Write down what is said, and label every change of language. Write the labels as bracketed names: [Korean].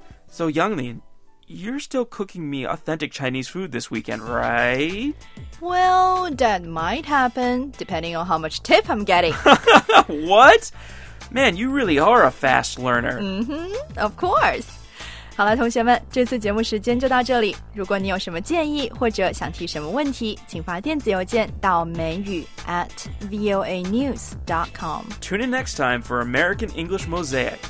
[English] So, Younglin, you're still cooking me authentic Chinese food this weekend, right? Well, that might happen, depending on how much tip I'm getting. What? Man, you really are a fast learner. Mm-hmm, of course. [Chinese] 好了，同学们，这次节目时间就到这里。如果你有什么建议或者想提什么问题，请发电子邮件到美语@voanews.com. [English] Tune in next time for American English Mosaic.